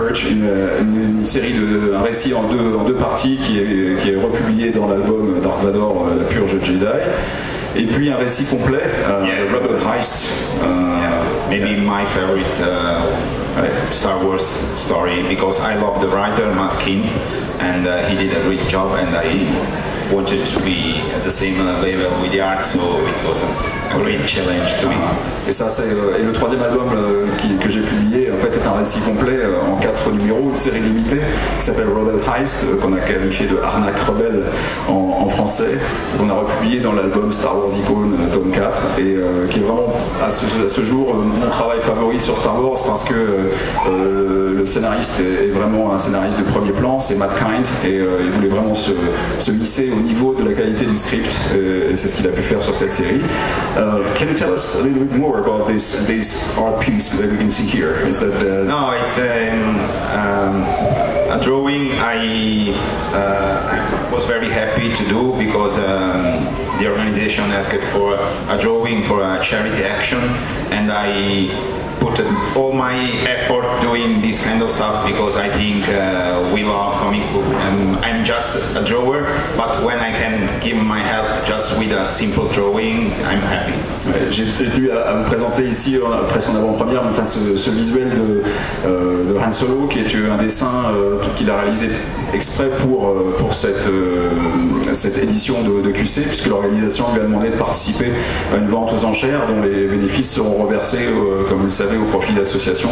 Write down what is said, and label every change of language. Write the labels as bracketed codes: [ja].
[fr] une série de un récit en deux parties qui est republié dans l'album Dark Vador, la Purge Jedi. Et puis un récit complet, Rebel Heist. [en] My favorite Star Wars story, because I love the writer Matt King, and he did a great job, and I wanted to be at the same level with the art, so it was a great challenge to me. [fr] Et ça, c'est et le troisième album que j'ai publié, en fait, est un récit complet en quatre numéros, une série limitée, qui s'appelle Rebel Heist, qu'on a qualifié de arnaque rebelle en français, qu'on a republié dans l'album Star Wars Icon, tome 4, et qui est vraiment, à ce jour, mon travail favori sur Star Wars, parce que le scénariste est vraiment un scénariste de premier plan, c'est Matt Kind, et il voulait vraiment se hisser au niveau de la qualité du script, et c'est ce qu'il a pu faire sur cette série. [en] Can you tell us a little bit more about this art piece that we can see here? Is that the... No, it's a drawing I was very happy to do, because the organization asked for a drawing for a charity action, and I put all my effort doing this kind of stuff, because I think we love comic book, and I'm just a drawer, but when I can give my help just with a simple drawing, I'm happy. [fr] J'ai dû à vous présenter ici, presque en avant-première, enfin, ce visuel de Han Solo, qui est un dessin qu'il a réalisé exprès pour cette édition de QC, puisque l'organisation lui a demandé de participer à une vente aux enchères, dont les bénéfices seront reversés, comme vous le savez, au profit d'associations.